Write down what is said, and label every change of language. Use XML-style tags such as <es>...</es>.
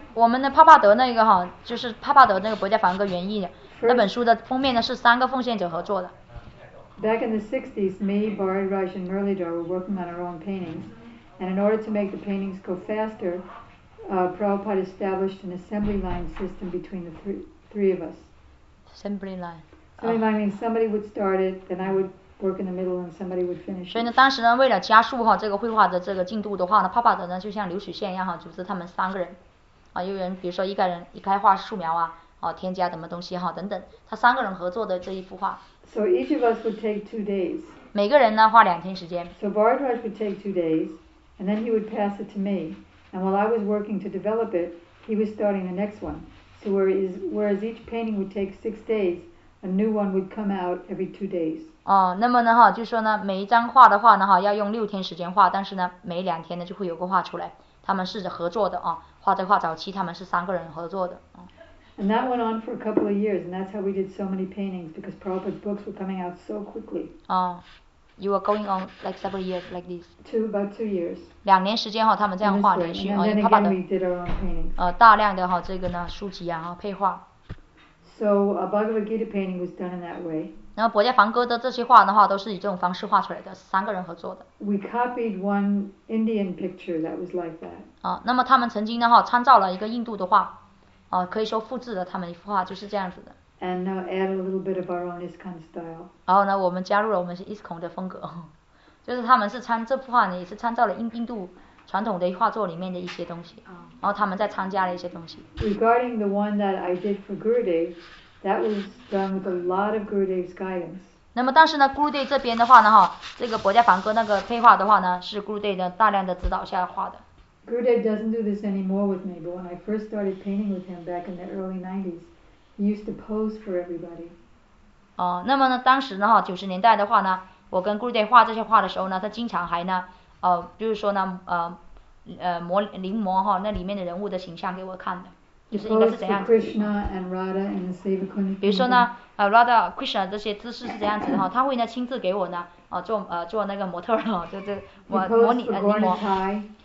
<zh>我们的帕帕德那个哈，就是帕帕德那个博迦梵歌原译的那本书的封面呢，是三个奉献者合作的。</zh> <en>Back in the 60s, me, Bharadwaj, and Muralidhar were working on our own paintings, And in order to make the paintings go faster, Prabhupada established an assembly line system between the three of us. Assembly line. Assembly line means somebody would start it, then I would work in the middle, and somebody would finish.</en> <zh>所以呢，当时呢，为了加速哈这个绘画的这个进度的话呢，帕帕德呢就像流水线一样哈，组织他们三个人，啊，有人比如说一个人一开画素描啊，哦、啊，添加什么东西哈、啊、等等，他三个人合作的这一幅画。</zh> <en>So each of us would take 2 days.</en> <zh>每个人呢花两天时间。</zh> <en>So Bharadwaj would take 2 days, and then he would pass it to me. And while I was working to develop it, he was starting the next one. So whereas each painting would take 6 days, a new one would come out every 2 days.</en> <zh>哦，那么呢哈，就说呢，每一张画的话呢哈，要用6天时间画，但是呢，每两天呢就会有个画出来。他们是合作的啊，画这画早期他们是三个人合作的。</zh> <en>And that went on for a couple of years, and that's how we did so many paintings because Prabhupada's books were coming out so quickly. 哦 ，you were going on like several years like this. About two years.</en> <zh>两年时间哈，他们这样画连续啊，他把的大量的哈这个呢书籍啊配画。</zh> <en>So a Bhagavad Gita painting was done in that way.</en> <zh>然后博伽梵歌的这些画的话，都是以这种方式画出来的，三个人合作的。</zh> <en>We copied one Indian picture that was like that.</en> <zh>啊，那么他们曾经呢哈，参照了一个印度的画，啊，可以说复制了他们一幅画，就是这样子的。</zh> <en>And now add a little bit of our own ISKCON style.</en> <zh>然后呢，我们加入了我们是 ISKCON 的风格，就是他们是参这幅画呢，也是参照了印度传统的画作里面的一些东西，然后他们再参加了一些东西。</zh> <en>Regarding the one that I did for Gurudev. That was done with a lot of Gurudev's guidance.</en> <zh>那么但是呢 ，Gurudev 这边的话呢，哈，这个博伽梵歌那个配画的话呢，是 Gurudev 的大量的指导下画的。</zh> <en>Gurudev doesn't do this anymore with me, but when I first started painting with him back in the early 90s, he used to pose for everybody.</en> <zh>哦，那么呢，当时呢，哈，九十年代的话呢，我跟 Gurudev 画这些画的时候呢，他经常还呢，就是说呢，模临摹哈那里面的人物的形象给我看的。就是应该是怎样？比如说呢，Radha、Krishna 这些姿势是怎样子的哈？他会呢亲自给我呢，做那个模特哈，就模拟临摹。</zh>